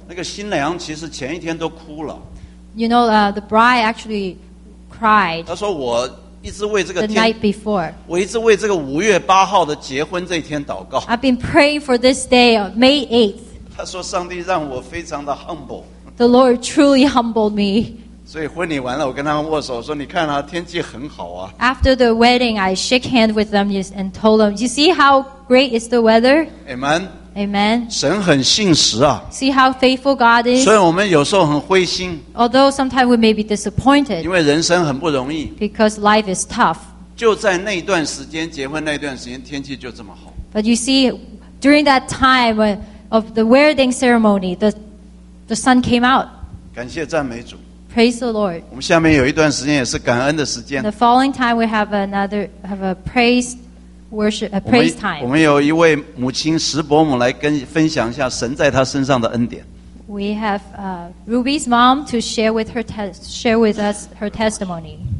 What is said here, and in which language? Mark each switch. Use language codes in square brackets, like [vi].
[zh] 那个新娘其实前一天都哭了。 [en] You know, the bride actually cried. [zh] 她说我一直为这个天, [en] the night before. [zh] 我一直为这个5月8号的结婚这一天祷告。 [en] I've been praying for this day, May 8th. [zh] 她说上帝让我非常的 humble. [en] The Lord truly humbled me. [zh] 所以婚礼完了,我跟他们握手,说你看啊,天气很好啊。 [en] After the wedding, I shook hands with them and told them, you see how great is the weather? Amen. Amen. [zh] 神很信实啊。 [en] See how faithful God is? [zh] 虽然我们有时候很灰心, [en] although sometimes we may be disappointed, [zh] 因为人生很不容易, [en] because life is tough. [zh] 就在那一段时间,结婚那一段时间, 天气就这么好。 [en] But you see, during that time of the wedding ceremony, the sun came out. [zh] 感谢赞美主。 [en] Praise the Lord. [zh] 我们下面有一段时间也是感恩的时间。 [en] The following time we have a praise worship, a praise time. [zh] 我们有一位母亲石伯母来跟分享一下神在她身上的恩典。 [en] We have Ruby's mom to share with us her testimony.